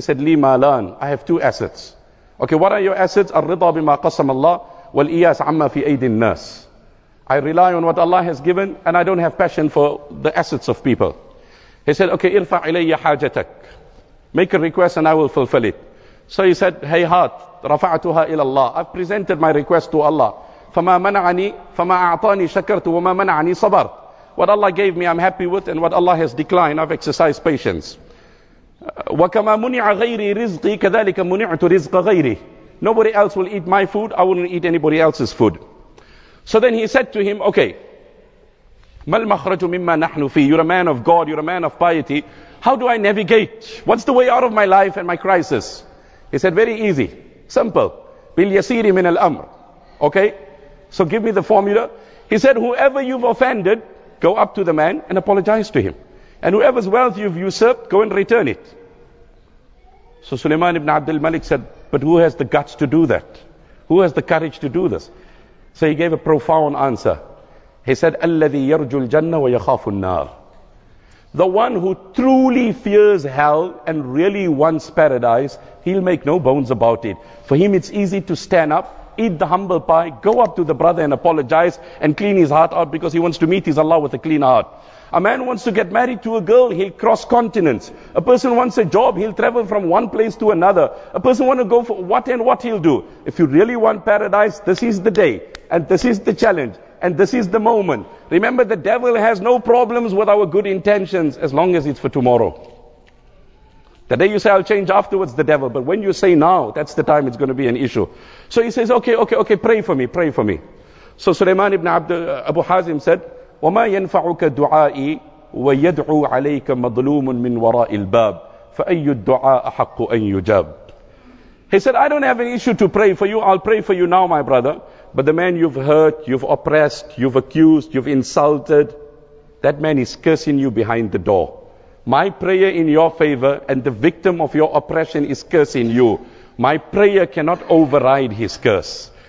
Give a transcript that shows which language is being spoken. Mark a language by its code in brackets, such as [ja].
[en] He said, [ar] لي مالان. [en] I have two assets. Okay, what are your assets? [ar] الرضا بما قسم الله والإياس عما في أيدي الناس. [en] I rely on what Allah has given and I don't have passion for the assets of people. He said, okay, [ar] ارفع إلي حاجتك. [en] Make a request and I will fulfill it. So he said, [ar] هيهات رفعتها إلى الله. [en] I've presented my request to Allah. [ar] فما أعطاني شكرت وما منعني صبرت. [en] What Allah gave me, I'm happy with, and what Allah has declined, I've exercised patience. [ar] وكما منع غيري رزقي كذلك منعت رزق غيري. [en] Nobody else will eat my food, I wouldn't eat anybody else's food. So then he said to him, okay, [ar] ما المخرج مما نحن فيه. [en] You're a man of God, you're a man of piety. How do I navigate? What's the way out of my life and my crisis? He said, very easy, simple. [ar] باليسير من الأمر. [en] Okay, so give me the formula. He said, whoever you've offended, go up to the man and apologize to him. And whoever's wealth you've usurped, go and return it. So Sulaiman ibn Abd al-Malik said, but who has the guts to do that? Who has the courage to do this? So he gave a profound answer. He said, [ar] الَّذِي يَرْجُ الْجَنَّةَ وَيَخَافُ النَّارِ. [en] The one who truly fears hell and really wants paradise, he'll make no bones about it. For him, it's easy to stand up eat the humble pie, go up to the brother and apologize and clean his heart out, because he wants to meet his Allah with a clean heart. A man wants to get married to a girl, he'll cross continents. A person wants a job, he'll travel from one place to another. A person wants to go for what and what he'll do. If you really want paradise, this is the day, and this is the challenge, and this is the moment. Remember, the devil has no problems with our good intentions as long as it's for tomorrow. The day you say, I'll change afterwards, the devil. But when you say now, that's the time it's going to be an issue. So he says, okay, pray for me, pray for me. So Sulaiman ibn Abu Hazim said, [ar] وَمَا يَنْفَعُكَ دُعَائِي وَيَدْعُو عَلَيْكَ مَظْلُومٌ مِّنْ وَرَاءِ الْبَابِ فَأَيُّ الدُّعَاءَ أَحَقُّ أَنْ يُجَابِ. [en] He said, I don't have an issue to pray for you. I'll pray for you now, my brother. But the man you've hurt, you've oppressed, you've accused, you've insulted, that man is cursing you behind the door. My prayer in your favor, and the victim of your oppression is cursing you, my prayer cannot override his curse.